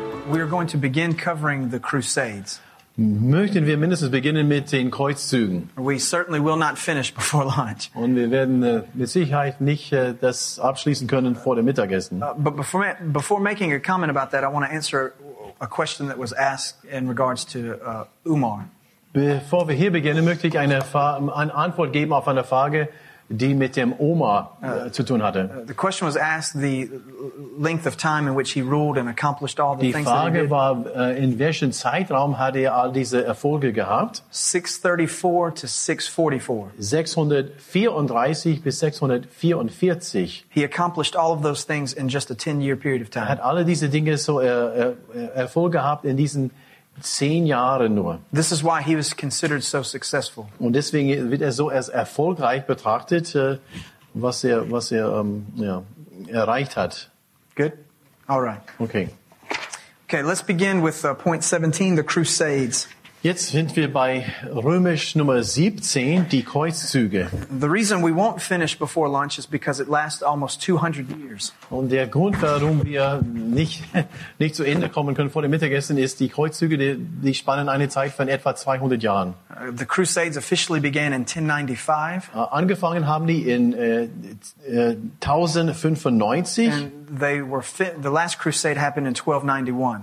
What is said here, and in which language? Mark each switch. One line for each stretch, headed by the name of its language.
English: We're going to begin covering the Crusades.
German: Möchten wir mindestens beginnen mit den Kreuzzügen.
English: We certainly will not finish before lunch.
German: Und wir werden mit Sicherheit nicht das abschließen können vor dem Mittagessen.
English: But before making a comment about that, I want to answer a question that was asked in regards to Umar.
German: Bevor wir hier beginnen, möchte ich eine Antwort geben auf eine Frage, die mit dem Umar zu tun hatte.
English: The question was asked the length of time in which he ruled and accomplished all the
German: die
English: things
German: Frage
English: that he did.
German: Die Frage war, in welchem Zeitraum hat er all diese Erfolge gehabt?
English: 634 to 644.
German: 634 bis 644.
English: He accomplished all of those things in just a 10-year period of time.
German: Hat alle diese Dinge so Erfolg gehabt in diesen 10 Jahre nur.
English: This is why he was considered so successful.
German: Und deswegen wird so als erfolgreich betrachtet, erreicht hat.
English: Good. All right. Okay. Okay, let's begin with point 17, the Crusades.
German: Jetzt sind wir bei Römisch Nummer 17, die Kreuzzüge.
English: The reason we won't finish before lunch is because it lasts almost 200 years.
German: Und der Grund, warum wir nicht zu Ende kommen können vor dem Mittagessen, ist, die Kreuzzüge, die spannen eine Zeit von etwa 200 Jahren.
English: The Crusades officially began in 1095.
German: Angefangen haben die in 1095.
English: And they were the last Crusade happened in 1291.